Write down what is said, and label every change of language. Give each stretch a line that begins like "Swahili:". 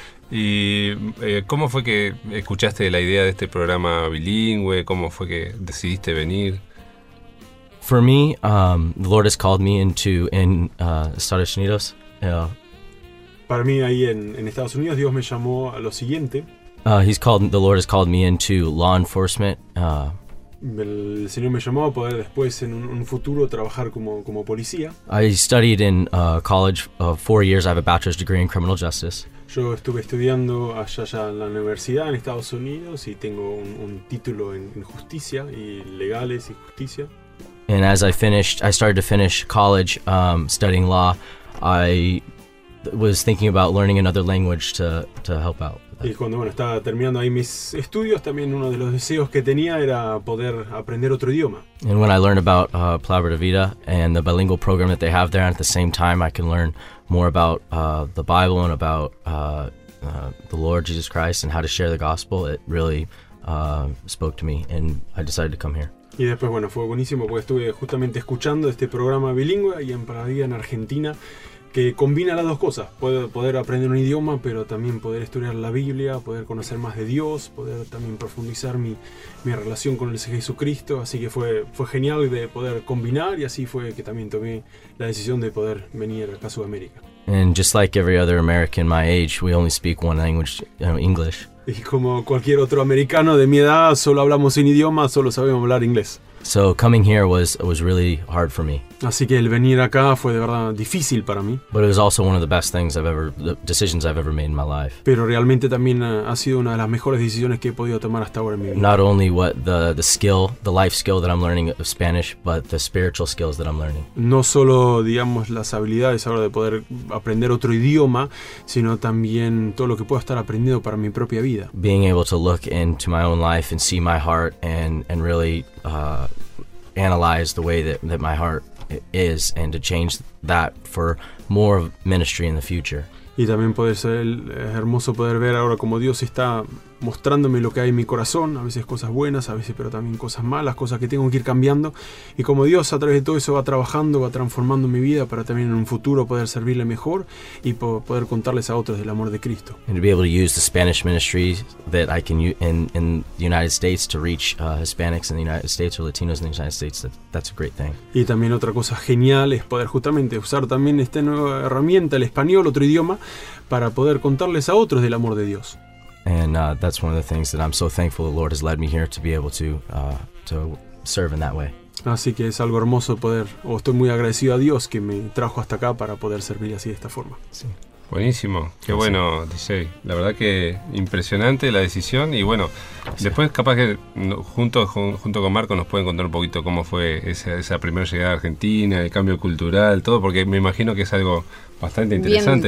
Spanish: ¿Y cómo fue que escuchaste la idea de este programa bilingüe? ¿Cómo fue que decidiste venir?
English: For me, the Lord has called me into Estados Unidos.
Spanish: Para mí ahí en Estados Unidos Dios me llamó a lo siguiente.
English: The Lord has called me into law enforcement.
Spanish: El Señor me llamó a poder después en un futuro trabajar como policía.
English: I studied in college 4 years. I have a bachelor's degree in criminal justice.
Spanish: Yo estuve estudiando allá en la universidad en Estados Unidos y tengo un título en justicia y legales y justicia.
English: And as I started to finish college studying law, I was thinking about learning another language to help out.
Spanish: Y cuando estaba terminando ahí mis estudios, también uno de los deseos que tenía era poder aprender otro idioma.
English: And when I learned about Palabra de Vida and the bilingual program that they have there, and at the same time I can learn more about the Bible and about the Lord Jesus Christ and how to share the gospel, it really spoke to me and I decided to come here.
Spanish: Y después, bueno, fue buenísimo porque estuve justamente escuchando este programa bilingüe y en Palabra de Vida en Argentina, que combina las dos cosas, poder aprender un idioma, pero también poder estudiar la Biblia, poder conocer más de Dios, poder también profundizar mi relación con el Señor Jesucristo. Así que fue genial de poder combinar, y así fue que también tomé la decisión de poder venir acá a Sudamérica.
English: And just like every other American my age, we only speak one language, English.
Spanish: Y como cualquier otro americano de mi edad, solo hablamos un idioma, solo sabemos hablar inglés.
English: So coming here was really hard for me.
Spanish: Así que el venir acá fue de verdad difícil para mí.
English: But it was also one of the best things decisions I've ever made in my life.
Spanish: Pero realmente también ha sido una de las mejores decisiones que he podido tomar hasta ahora en mi vida.
English: Not only what the skill, the life skill that I'm learning of Spanish, but the spiritual skills that I'm learning.
Spanish: No solo digamos las habilidades ahora de poder aprender otro idioma, sino también todo lo que puedo estar aprendiendo para mi propia vida.
English: Being able to look into my own life and see my heart and really analyze the way that my heart is and to change that for more of ministry in the future.
Spanish: Y también puede ser hermoso poder ver ahora cómo Dios está mostrándome lo que hay en mi corazón, a veces cosas buenas, a veces pero también cosas malas, cosas que tengo que ir cambiando. Y como Dios a través de todo eso va trabajando, va transformando mi vida para también en un futuro poder servirle mejor y poder contarles a otros del amor de Cristo. Y poder usar la ministra española que puedo usar en los Estados Unidos para alcanzar a hispanics en los Estados Unidos o latinos en los Estados Unidos.
English: That's a great thing.
Spanish: Y también otra cosa genial es poder justamente usar también esta nueva herramienta, el español, otro idioma, para poder contarles a otros del amor de Dios.
English: And that's one of the things that I'm so thankful the Lord has led me here to be able to serve in that way.
Spanish: Así que es algo hermoso poder, o estoy muy agradecido a Dios que me trajo hasta acá para poder servir así de esta forma. Sí. Buenísimo, qué sí. Bueno, Dicey. La verdad que impresionante la decisión y bueno, sí. Después capaz que junto con Marco nos pueden contar un poquito cómo fue esa primera llegada a Argentina, el cambio cultural, todo, porque me imagino que es algo bastante interesante,